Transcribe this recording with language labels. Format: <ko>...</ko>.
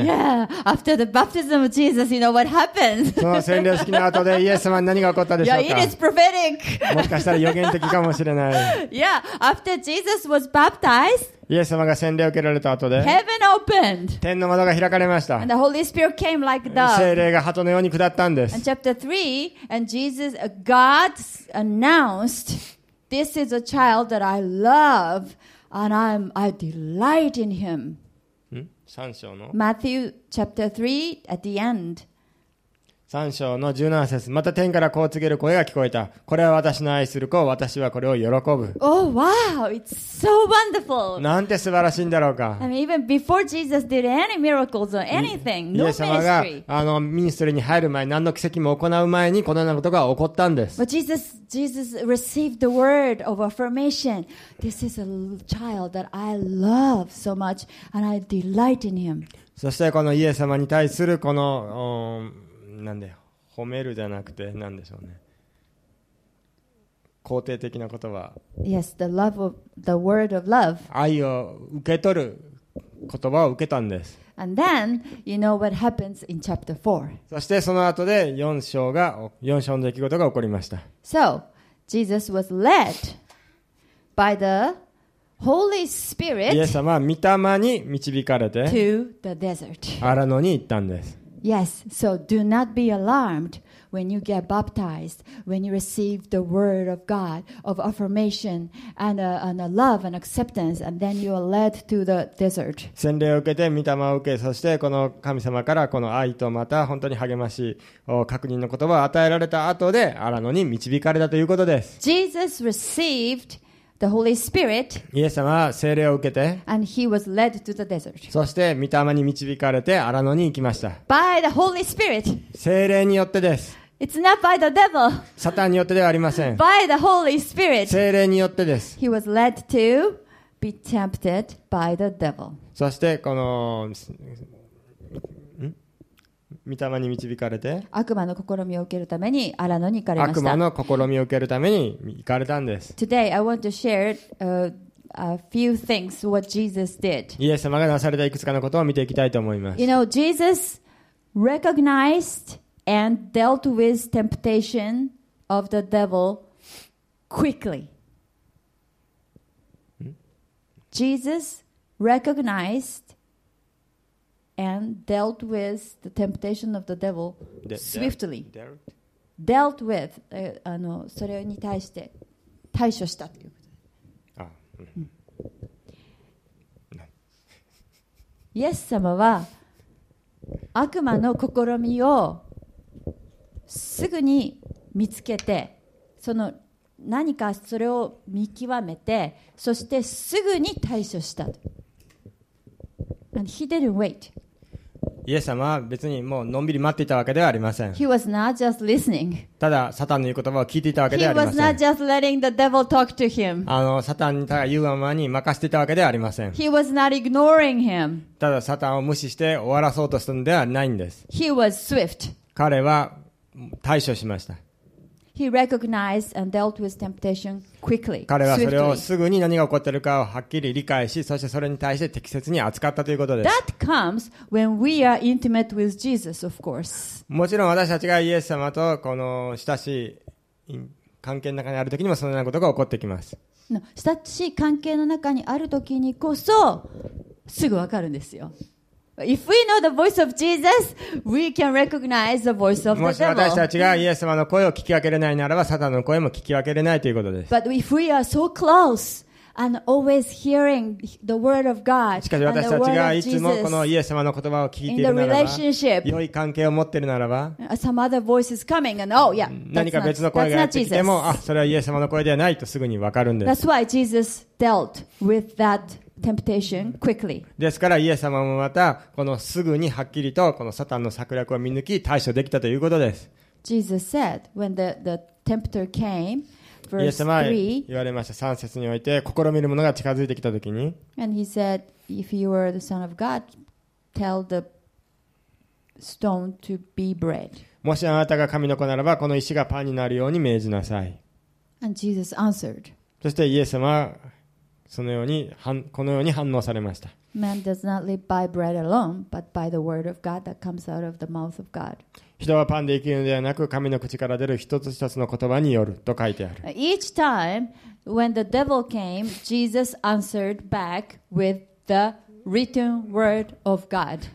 <en>Yeah, after the baptism of Jesus, you know what happened?</en> <ja>その洗礼式の後でイエス様に何が起こったでしょうか。</ja> <en>Yeah, it is prophetic.</en> <ja>もしかしたら予言的かもしれない。</ja> <en>Yeah, after Jesus was baptized,</en> <ja>イエス様が洗礼を受けられた後で、</ja> <en>Heaven opened.</en> <ja>天の窓が開かれました。</ja> <en>And the Holy Spirit came like dove.</en> <ja>聖霊が鳩のように下ったんです。</ja> <en>And chapter 3, and Jesus, God announced, "This is a child that I love, and I delight in him."</en> <ja>ん？3 章の</ja> <en>Matthew chapter 3 at the end.</en> <ja>3章の17節、また天からこう告げる声が聞こえた。これは私の愛する子、私はこれを喜ぶ。</ja> <en>Oh, wow! It's so wonderful!</en> <ja>なんて素晴らしいんだろうか。</ja> <en>I mean, even before Jesus did any miracles or anything, no ministry.</en> <ja>イエス様が、あの、ミニストリーに入る前、何の奇跡も行う前に、このようなことが起こったんです。</ja> <en>But Jesus received the word of affirmation. This is a child that I love so much, and I delight in him.</en> <ja>そしてこのイエス様に対するこの、なんで褒めるじゃなくて何でしょうね、肯定的な言葉。</ja> <en>Yes, the love of the word of love.</en> <ja>愛を受け取る言葉を受けたんです。</ja> <en>And then you know what happens in chapter 4.</en> <ja>そしてその後で4章の出来事が起こりました。</ja> <en>So Jesus was led by the Holy Spirit.</en> <ja>イエス様は御霊に導かれて</ja> <en>to the desert.</en> <ja>荒野に行ったんです。</ja> <en>Yes, so do not be alarmed when you get baptized, when you receive the word of God of affirmation and a love and acceptance, and then you are led to the desert.</en> <ja>洗礼を受けて御霊を受け、そしてこの神様からこの愛とまた本当に励ましを確認の言葉を与えられた後で荒野に導かれたということです。</ja> <en>Jesus received the Holy Spirit.</en> <ja>イエス様は聖霊を受けて、</ja> <en>and he was led to the desert.</en> <ja>そして御霊に導かれて荒野に行きました。</ja> <en>By the Holy Spirit.</en> <ja>聖霊によってです。</ja> <en>It's not by the devil.</en> <ja>サタンによってではありません。</ja> <en>By the Holy Spirit.</en> <ja>聖霊によってです。</ja> <en>He was led to be tempted by the devil.</en> <ja>そしてこの御霊に導かれて悪魔の試みを受けるために荒野に行かれました。悪魔の試みを受けるために行かれたんです。</ja> <en>Today I want to share a few things what Jesus did.</en> <ja>イエス様がなされたいくつかのことを見ていきたいと思います。</ja> <en>You know, Jesus recognized and dealt with temptation of the devil quickly. Jesus recognized and dealt with the temptation of the devil swiftly. Dealt with,</en> <ja>それに対して対処したということ。イエス様は悪魔の試みをすぐに見つけて、その何かそれを見極めて、そしてすぐに対処した。</ja> <en>And he didn't wait.</en> <ja>イエス様は別にもうのんびり待っていたわけではありません。</ja> <en>He was not just listening.</en> <ja>ただサタンの言う言葉を聞いていたわけではありません。</ja> <en>He was not just letting the devil talk to him.</en> <ja>サタンに言うままに任せていたわけではありません。</ja> <en>He was not ignoring him.</en> <ja>ただサタンを無視して終わらそうとしたのではないんです。</ja> <en>He was swift.</en> <ja>彼は対処しました。</ja> <en>He recognized and dealt with temptation quickly.</en> <ja>彼はそれをすぐに何が起こっているかをはっきり理解し、そしてそれに対して適切に扱ったということです。</ja> <en>That comes when we are intimate with Jesus, of course.</en> <ja>もちろん私たちがイエス様とこの親しい関係の中にあるときにもそのようなことが起こってきます。親しい関係の中にあるときにこそすぐわかるんですよ。</ja> <en>If we know the voice of Jesus, we can recognize the voice of the devil.</en> <ja>もし私たちがイエス様の声を聞き分けれないならば、サタンの声も聞き分けれないということです。</ja> <en>But if we are so close and always hearing the word of God,</en> <ja>しかし私たちがいつもこのイエス様の言葉を聞いているならば、良い関係を持っているならば、</ja> <en>some other voice is coming and oh yeah,</en> <ja>何か別の声がやってきても、あ、それはイエス様の声ではないとすぐに分かるんです。</ja> <en>That's why Jesus dealt with that. Temptation quickly.</en> <ja>ですからイエス様もまたこのすぐにはっきりとこのサタンの策略を見抜き対処できたということです。</ja> <en>Jesus said when the tempter came, verse 3,</en> <ja>イエス様は言われました。三節において試みる者が近づいてきたときに、</ja> <en>and he said, if you are the son of God, tell the stone to be bread.</en> <ja>もしあなたが神の子ならば、この石がパンになるように命じなさい。</ja> <en>And Jesus answered.</en> <ja>そしてイエス様はそのようにこのように反応されました。</ja> <en>Man does not live by bread alone, but by the word of God that comes out of the mouth of God.</en> <ja>人はパンで生きるのではなく、神の口から出る一つ一つの言葉によると書いてある。</ja> <en>Each time when the devil came, Jesus answered back with the written word of God.</en>